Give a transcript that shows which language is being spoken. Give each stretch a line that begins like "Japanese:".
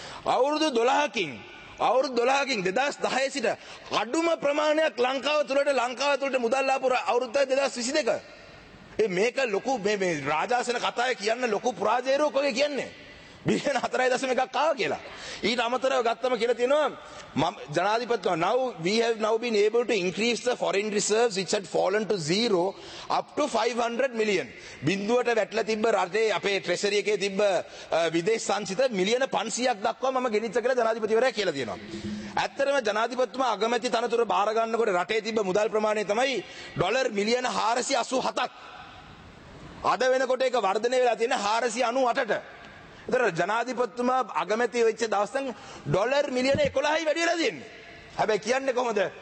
Sinhala: අවුරුදු 12කින් 2010 සිට අඩුම ප්‍රමාණයක් ලංකාව තුළට මුදල් ආපු අවුරුද්ද 2022. ඒ මේක ලොකු මේ රාජාසන කතාවේ කියන්න ලොකු පුරාජේරුවක් වගේ කියන්නේ බිලියන 4.1ක් ආවා කියලා. ඊට අමතරව ගත්තම කියලා තියෙනවා මම ජනාධිපතිතුමා
English: now we have now been able to increase the foreign reserves which had fallen to zero up to 500 million.
Sinhala: බින්දුවට වැටලා තිබ්බ රටේ අපේ ට්‍රෙෂරි එකේ තිබ්බ විදේශ සංචිත මිලියන 500ක් දක්වා මම ගෙනිච්ච කියලා ජනාධිපතිවරයා කියලා තියෙනවා. ඇත්තටම ජනාධිපතිතුමා අගමැති තනතුර බාර ගන්නකොට රටේ තිබ්බ මුදල් ප්‍රමාණය තමයි ඩොලර් මිලියන 487ක්. අද වෙනකොට ඒක වර්ධනය වෙලා තියෙන 498ට. ඒතර ජනාධිපතිතුමා අගමැති වෙච්ච දවසෙන් ඩොලර් මිලියන 11යි වැඩි වෙලා තියෙන්නේ. හැබැයි කියන්නේ කොහොමද?